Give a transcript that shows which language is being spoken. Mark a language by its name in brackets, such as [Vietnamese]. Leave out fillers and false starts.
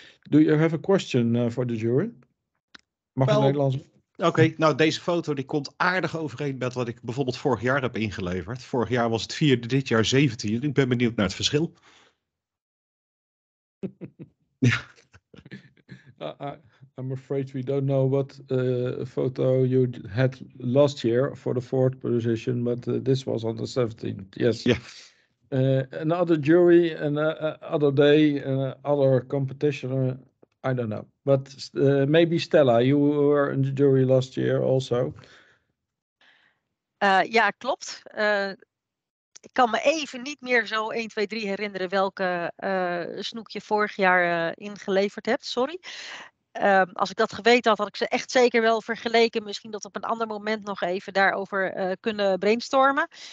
[English] Do you have a question for the jury? [Dutch] Mag well, Nederlands? [English] Okay. [Dutch] Nou, deze foto die komt aardig overeen met wat ik bijvoorbeeld vorig jaar heb ingeleverd. Vorig jaar was het 4, dit jaar 17. Ik ben benieuwd naar het verschil. [English] I'm afraid we don't know what photo you had last year for the fourth position, but this was on the 17th. Yes. Yeah. Another jury, another day, another competition. I don't know. But maybe Stella, you were in the jury last year also. [Dutch] Ja, klopt. Ik kan me even niet meer zo 1, 2, 3 herinneren welke snoek je vorig jaar ingeleverd hebt. Sorry. Als ik dat geweten had, had ik ze echt zeker wel vergeleken. Misschien dat op een ander moment nog even daarover kunnen brainstormen.